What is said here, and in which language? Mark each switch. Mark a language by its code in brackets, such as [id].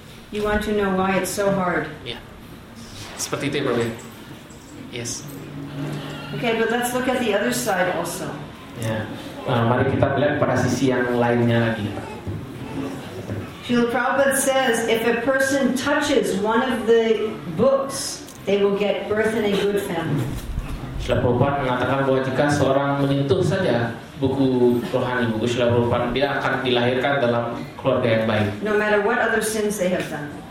[en] You want to know why it's so hard? [id] Yeah. Seperti itu, Prabhu. Yes. [en] Okay, but let's look at the other side also. Yeah. [id] Mari kita lihat pada sisi yang lainnya lagi. [en] Srila Prabhupada says, if a person touches one of the books, they will get birth in a good family. [id] Srila Prabhupada mengatakan bahwa jika seorang menyentuh saja buku rohani, buku Srila Prabhupada, dia akan dilahirkan dalam keluarga yang baik. [en] No matter what other sins they have done.